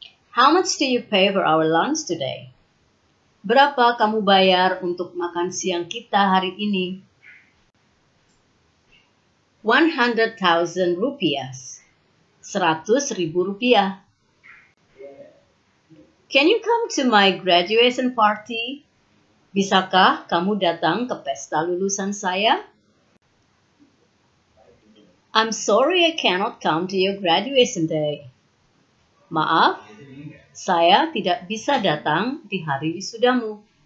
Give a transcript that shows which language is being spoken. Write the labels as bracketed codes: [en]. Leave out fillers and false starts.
[en] How much do you pay for our lunch today? [id] Berapa kamu bayar untuk makan siang kita hari ini? 100,000 rupiah. 100,000 rupiah. [en] Can you come to my graduation party? [id] Bisakah kamu datang ke pesta lulusan saya? [en] I'm sorry I cannot come to your graduation day. [id] Maaf. Saya tidak bisa datang di hari wisudamu.